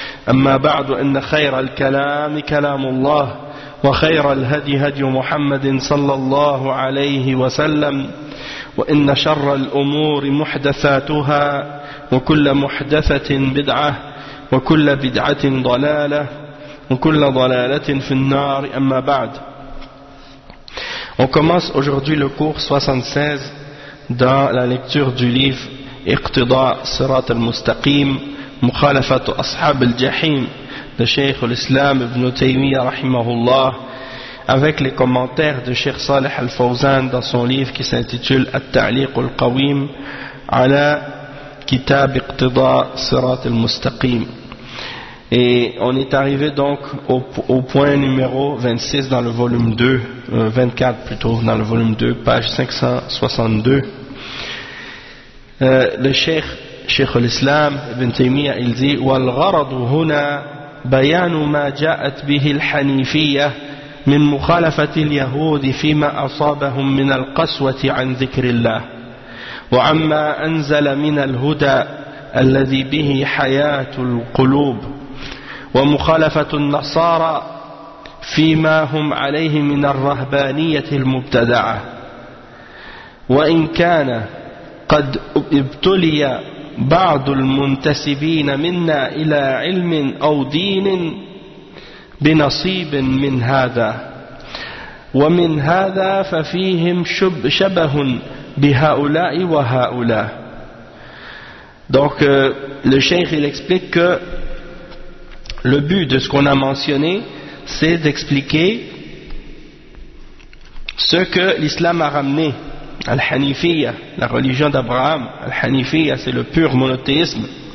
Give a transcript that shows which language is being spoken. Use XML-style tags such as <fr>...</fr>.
<ar>أما بعد إن خير الكلام كلام الله وخير الهدي هدي محمد صلى الله عليه وسلم وإن شر الأمور محدثاتها وكل محدثة بدعة وكل بدعة ضلالة وكل ضلالة في النار أما بعد.</ar> <fr>On commence aujourd'hui le cours 76 dans la lecture du livre اقتضاء صراط المستقيم مخالفة أصحاب الجحيم de Cheikh al-Islam ibn Taymiyyah rahimahullah avec les commentaires de Cheikh Saleh al-Fawzan dans son livre qui s'intitule At-Ta'liq al-Qawim ala Kitab Iqtida Sirat al-Mustaqim. Et on est arrivé donc au point numéro 26 dans le volume 2, 24 plutôt dans le volume 2, page 562. Le Cheikh al-Islam ibn Taymiyyah il dit</fr> <ar>wal gharad huna بيان ما جاءت به الحنيفية من مخالفة اليهود فيما أصابهم من القسوة عن ذكر الله وعما أنزل من الهدى الذي به حياة القلوب ومخالفة النصارى فيما هم عليه من الرهبانية المبتدعة وإن كان قد ابتلي بعض المنتسبين منا إلى علم أو دين بنصيب من هذا ومن هذا ففيهم شبه بهؤلاء وهؤلاء.</ar> <fr>Donc le cheikh il explique que le but de ce qu'on a mentionné c'est d'expliquer ce que l'islam a ramené. Al-Hanifiyya, la religion d'Abraham, Al-Hanifiyya, c'est le pur monothéisme.</fr>